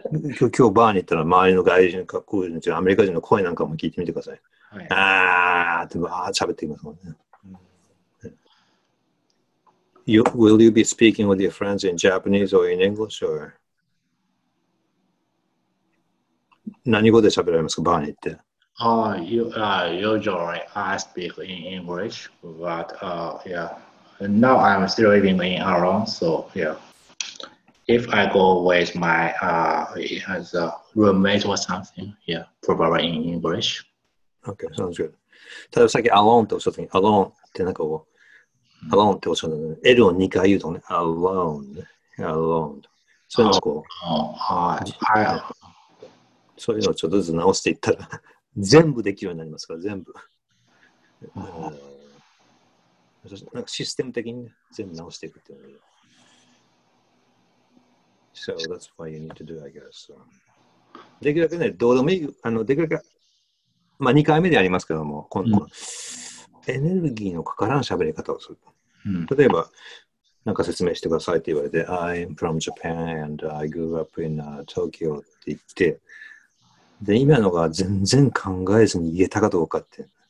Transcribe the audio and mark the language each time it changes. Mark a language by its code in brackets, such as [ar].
[ja] 今日バーに行ったら周りの外人、かっこいいのアメリカ人の声なんかも聞いてみてください。はい、あーってわーって喋ってきますもんね。 [en] うん、Will you be speaking with your friends in Japanese or in English? Or? [ja] 何語で喋られますか、バーに行って。 [en] Usually I speak in English, but Now I'm still living in Aron, so yeah. If I go with my as a roommate or something, yeah, probably in English. Okay, sounds good. [ja] ただ、さっき Alone っておっしゃった時に、Alone ってなんかこう、Alone っておっしゃったのに、L を2回言うとね、Alone、Alone。そういうのをこう、そういうのをちょっとずつ直していったら、全部できるようになりますから、全部。なんかシステム的に全部直していくっていうの。 [en] So that's why you need to do, I guess. [ja] できるだけね、どうでもいい、できるだけ、まあ2回目でありますけども、このエネルギーのかからん喋り方をすると。例えば、なんか説明してくださいって言われて、 [en] I'm from Japan and I grew up in Tokyo [ja] って言って、で、今のが全然考えずに言えたかどうかって。